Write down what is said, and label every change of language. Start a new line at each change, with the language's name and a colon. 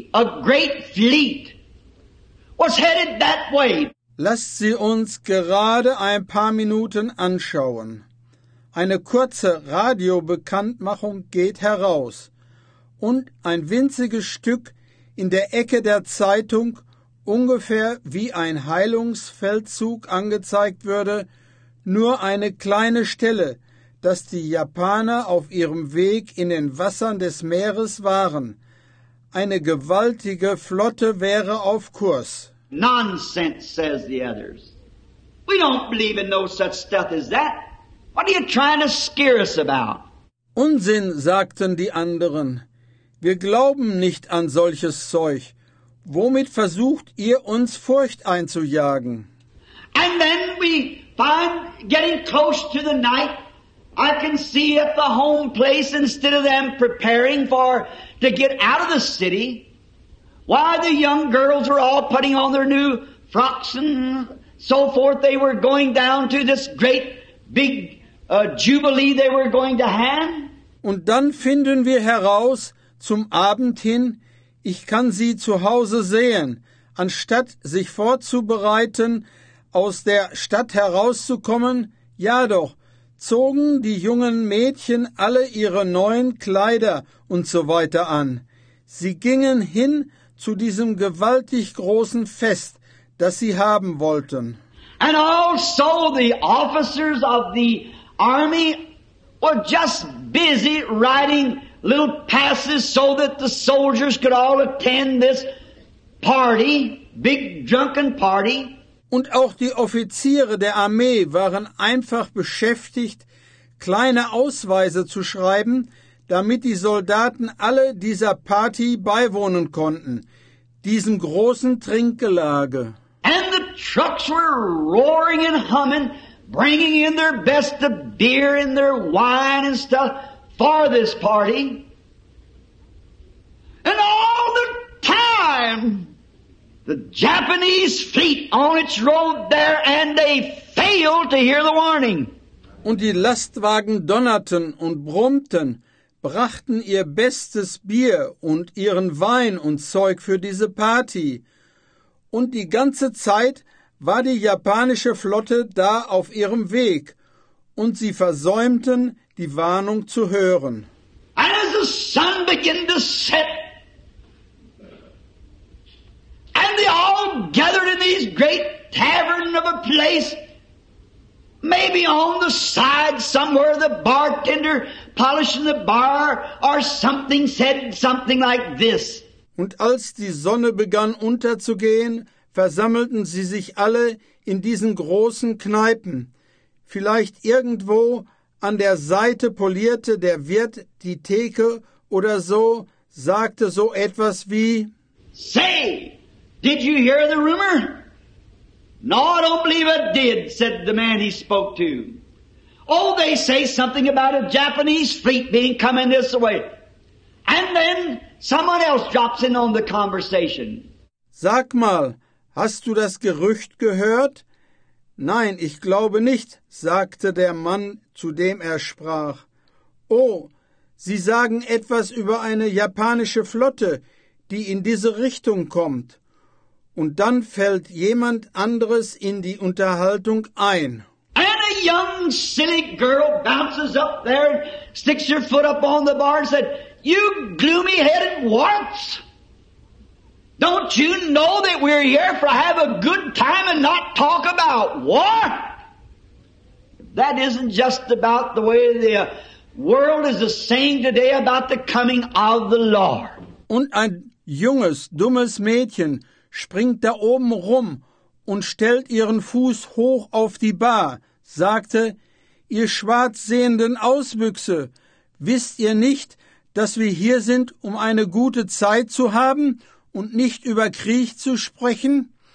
English: A great fleet was headed that way.
German: Lasst sie uns gerade ein paar Minuten anschauen. Eine kurze Radiobekanntmachung geht heraus und ein winziges Stück in der Ecke der Zeitung, ungefähr wie ein Heilungsfeldzug angezeigt würde, nur eine kleine Stelle, dass die Japaner auf ihrem Weg in den Wassern des Meeres waren. Eine gewaltige Flotte wäre auf Kurs.
English: Nonsense, says the others. We don't believe in no such stuff as that. What are you trying to scare us about?
German: Unsinn, sagten die anderen. Wir glauben nicht an solches Zeug. Womit versucht ihr uns Furcht einzujagen?
English: And then we find, getting close to the night, I can see at the home place, instead of them preparing for to get out of the city, why the young girls were all putting on their new frocks and so forth. They were going down to this great big jubilee they were going to have.
German: Und dann finden wir heraus, zum Abend hin, ich kann sie zu Hause sehen, anstatt sich vorzubereiten, aus der Stadt herauszukommen, ja doch, zogen die jungen Mädchen alle ihre neuen Kleider und so weiter an. Sie gingen hin zu diesem gewaltig großen Fest, das sie haben wollten.
English: And also the officers of the army were just busy writing little passes so that the soldiers could all attend this party, big drunken party.
German: Und auch die Offiziere der Armee waren einfach beschäftigt, kleine Ausweise zu schreiben, damit die Soldaten alle dieser Party beiwohnen konnten, diesem großen Trinkgelage.
English: And the trucks were roaring and humming, bringing in their best of beer and their wine and stuff for this party. And all the time, the Japanese fleet on its road there, and they failed to hear the warning.
German: Und die Lastwagen donnerten und brummten, brachten ihr bestes Bier und ihren Wein und Zeug für diese Party. Und die ganze Zeit war die japanische Flotte da auf ihrem Weg, und sie versäumten, die Warnung zu hören.
English: And as the sun began to set, and they all gathered in these great tavern of a place, Maybe on the side somewhere the bartender polishing the bar or something said something like this.
German: Und als die Sonne begann unterzugehen, versammelten sie sich alle in diesen großen Kneipen. Vielleicht irgendwo an der Seite polierte der Wirt die Theke oder so, sagte so etwas wie:
English: Say, did you hear the rumor? No, I don't believe it did, said the man he spoke to. Oh, they say something about a Japanese fleet being coming this way. And then someone else drops in on the conversation.
German: Sag mal, hast du das Gerücht gehört? Nein, ich glaube nicht, sagte der Mann, zu dem er sprach. Oh, sie sagen etwas über eine japanische Flotte, die in diese Richtung kommt. Und dann fällt jemand anderes in die Unterhaltung ein.
English: And a young silly girl bounces up there, sticks her foot up on the bar and said, you gloomy-headed warts! Don't you know that we're here for have a good time and not talk about war? That isn't just about the way the world is saying today about the coming of the Lord.
German: Und ein junges, dummes Mädchen springt da oben rum und stellt ihren Fuß hoch auf die Bar, sagte, ihr schwarzsehenden Auswüchse, wisst ihr nicht, dass wir hier sind, um eine gute Zeit zu haben und nicht über Krieg zu sprechen?